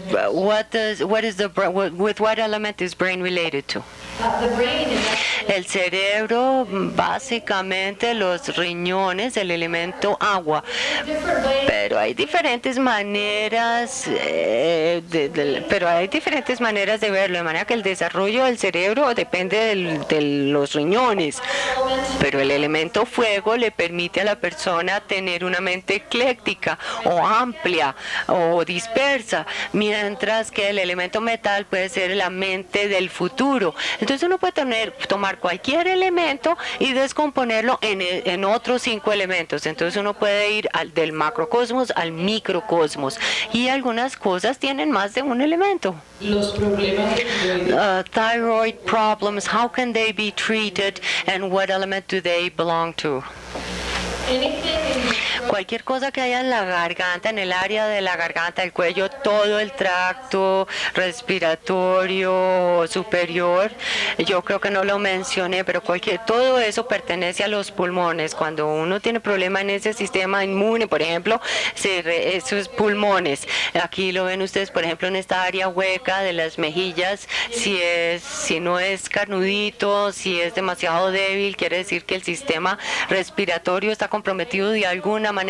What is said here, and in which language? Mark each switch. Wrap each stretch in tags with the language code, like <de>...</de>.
<en>What is the brain? With what element is brain related to? The brain is actually...</en> <es>El cerebro, básicamente los riñones, el elemento agua. Pero hay diferentes maneras de verlo, de manera que el desarrollo del cerebro depende de los riñones. Pero el elemento fuego le permite a la persona tener una mente ecléctica o amplia o dispersa, mientras que el elemento metal puede ser la mente del futuro. Entonces uno puede tomar cualquier elemento y descomponerlo en otros cinco elementos. Entonces uno puede ir del macrocosmos al microcosmos, y algunas cosas tienen más de un elemento. Los problemas de</es> <en>thyroid problems, how can they be treated and what element do they belong to?</en> <es>Cualquier cosa que haya en la garganta, en el área de la garganta, el cuello, todo el tracto respiratorio superior, yo creo que no lo mencioné, pero todo eso pertenece a los pulmones. Cuando uno tiene problema en ese sistema inmune, por ejemplo, esos pulmones, aquí lo ven ustedes, por ejemplo, en esta área hueca de las mejillas, si no es carnudito, si es demasiado débil, quiere decir que el sistema respiratorio está comprometido de alguna manera.</es>